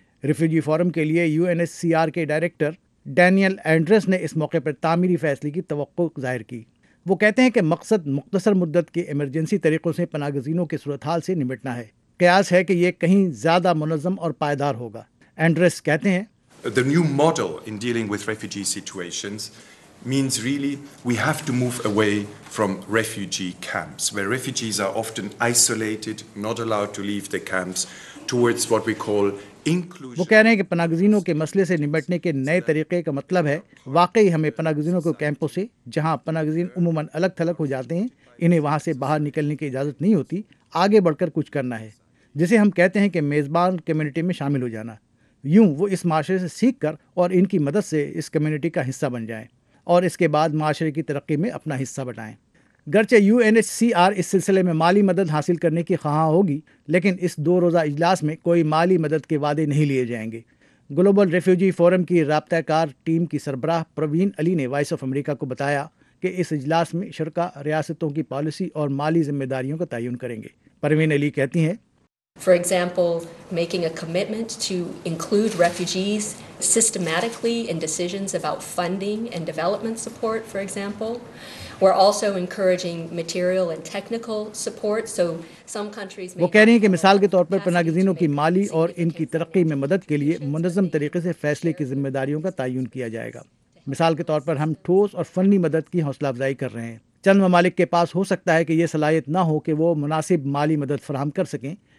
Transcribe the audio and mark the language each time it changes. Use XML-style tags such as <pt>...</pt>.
<ur>Refugee forum کے لیے you N S C R کے ڈائریکٹر ڈینیل اینڈرس نے اس موقع پر تعمیری فیصلے کی توقع ظاہر کی۔ وہ کہتے ہیں کہ مقصد مختصر مدت کے ایمرجنسی طریقوں سے پناہ گزینوں کی صورتحال سے نمٹنا ہے۔ قیاس ہے کہ یہ کہیں زیادہ منظم اور پائیدار ہوگا۔ اینڈرس کہتے ہیں،</ur> <en>The new model in dealing with refugee situations means really we have to move away from refugee camps, where refugees are often isolated, not allowed to leave the camps, towards what we call inclusion.</en> <ur>وہ کہہ رہے ہیں کہ پناہ گزینوں کے مسئلے سے نمٹنے کے نئے طریقے کا مطلب ہے واقعی ہمیں پناہ گزینوں کو کیمپوں سے، جہاں پناہ گزین عموماً الگ تھلگ ہو جاتے ہیں، انہیں وہاں سے باہر نکلنے کی اجازت نہیں ہوتی، آگے بڑھ کر کچھ کرنا ہے، جسے ہم کہتے ہیں کہ میزبان کمیونٹی میں شامل ہو جانا۔ یوں وہ اس معاشرے سے سیکھ کر اور ان کی مدد سے اس کمیونٹی کا حصہ بن جائیں اور اس کے بعد معاشرے کی ترقی میں اپنا حصہ بٹائیں۔ گرچہ you N H C R اس سلسلے میں مالی مدد حاصل کرنے کی خواہاں ہوگی، لیکن اس دو روزہ اجلاس میں کوئی مالی مدد کے وعدے نہیں لیے جائیں گے۔ گلوبل ریفیوجی فورم کی رابطہ کار ٹیم کی سربراہ پروین علی نے وائس آف امریکہ کو بتایا کہ اس اجلاس میں شرکا ریاستوں کی پالیسی اور مالی ذمہ داریوں کا تعین کریں گے۔ پروین علی کہتی ہیں،</ur> <en>For example, making a commitment to include refugees systematically in decisions about funding and development support, for example. We're also encouraging material and technical support. So some countries may...</en> <ur>وہ کہہ رہی ہیں کہ مثال کے طور پر پناہ گزینوں کی مالی اور ان کی ترقی میں مدد کے لیے منظم طریقے سے فیصلے کی ذمہ داریوں کا تعین کیا جائے گا۔ مثال کے طور پر ہم ٹھوس اور فنی مدد کی حوصلہ افزائی کر رہے ہیں۔ چند ممالک کے پاس ہو سکتا ہے کہ یہ صلاحیت نہ ہو کہ وہ مناسب مالی مدد فراہم کر سکیں،</ur>